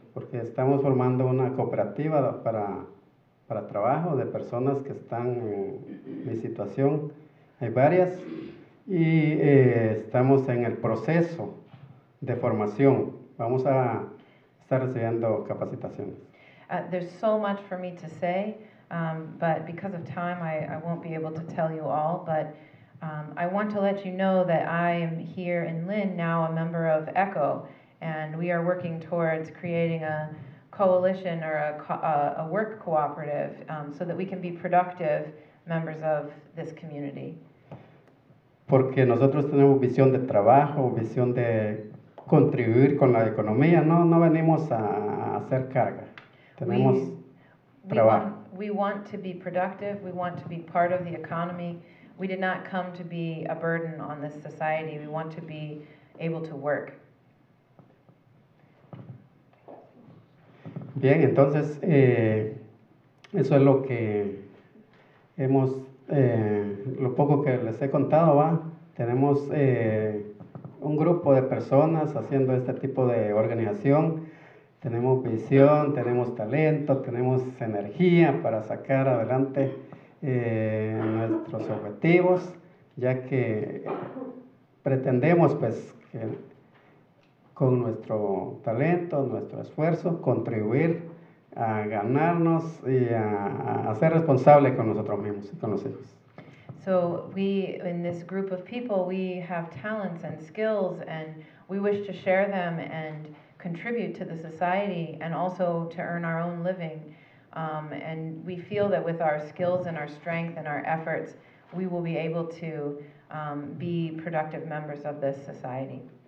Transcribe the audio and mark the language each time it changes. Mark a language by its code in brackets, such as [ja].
[es] Porque estamos formando una cooperativa para trabajo de personas que están en mi situación. Hay varias. Y estamos en el proceso de formación. Vamos a estar recibiendo capacitaciones. [en] There's so much for me to say, but because of time, I won't be able to tell you all, but I want to let you know that I am here in Lynn, now a member of ECHO, and we are working towards creating a coalition or a work cooperative so that we can be productive members of this community. [es] Porque nosotros tenemos visión de trabajo, visión de contribuir con la economía. No venimos a hacer carga. Tenemos trabajo. [en] We want to be productive. We want to be part of the economy. We did not come to be a burden on this society. We want to be able to work. [es] Bien, entonces, eso es lo que hemos, lo poco que les he contado, ¿va? Tenemos un grupo de personas haciendo este tipo de organización. Tenemos visión, tenemos talento, tenemos energía para sacar adelante nuestros objetivos, ya que pretendemos, pues, que con nuestro talento, nuestro esfuerzo, contribuir a ganarnos y a ser responsable con nosotros mismos y con los hijos. [en] So we, in this group of people, we have talents and skills, and we wish to share them and contribute to the society and also to earn our own living. And we feel that with our skills and our strength and our efforts, we will be able to be productive members of this society.